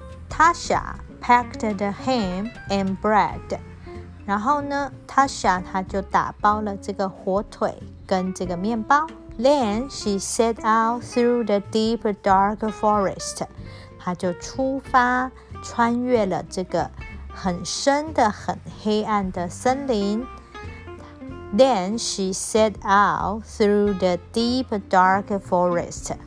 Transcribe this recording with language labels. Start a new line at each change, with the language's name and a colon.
English: Tasha packed the ham and bread。
Chinese: 然后呢 ，Tasha 她就打包了这个火腿跟这个面包。
English: Then she set out through the deep dark forest.
Chinese: 她就出发，穿越了这个很深的、很黑暗的森林。
English: Then she set out through the deep dark forest.